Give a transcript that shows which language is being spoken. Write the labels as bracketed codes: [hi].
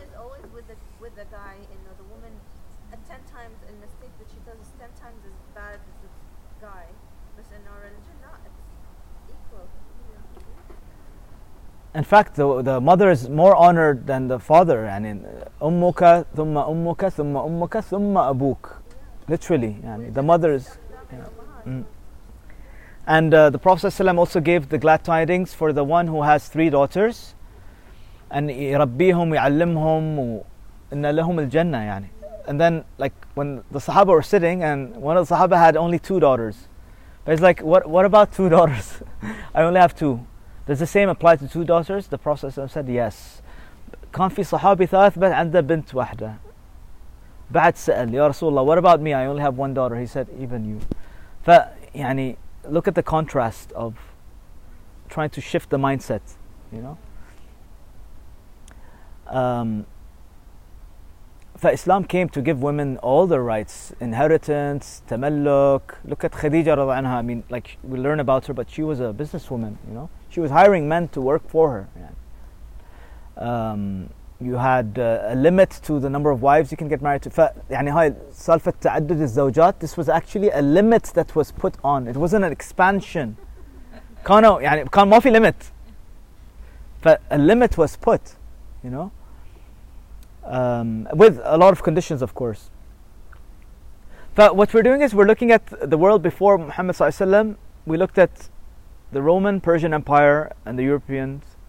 [en] is always with the guy and the woman. A 10 times a mistake that she does is 10 times as bad as the guy. But in our religion, not equal. In fact, the mother is more honored than the father. [ar] يعني أمك ثم أمك ثم أمك ثم أبوك. [en] Literally, يعني the mother is. Yeah. And the Prophet ﷺ also gave the glad tidings for the one who has three daughters, and [ar] يربيهم يعلمهم وإن لهم الجنة يعني. [en] And then, like when the Sahaba were sitting, and one of the Sahaba had only two daughters, but he's like, "What about two daughters? I only have two." Does the same apply to two daughters? The Prophet said yes. [ar] كان في صحابي ثلاث بس عنده بنت واحدة. بعد سأل يا رسول الله, [en] what about me? I only have one daughter. He said, even you. فيعني look at the contrast of trying to shift the mindset, you know. Islam came to give women all their rights, inheritance, tamalluk. Look at Khadija radha anha. I mean, like, we learn about her, but she was a businesswoman, you know. She was hiring men to work for her. You had a limit to the number of wives you can get married to. [ar] يعني هاي سالفة تعدد الزوجات, [en] this was actually a limit that was put on. It wasn't an expansion. [ar] كانوا يعني كان ما في limit. [en] A limit was put, you know, with a lot of conditions, of course. But what we're doing is we're looking at the world before Muhammad Sallallahu Alaihi Wasallam. We looked at the Roman Persian Empire and the Europeans.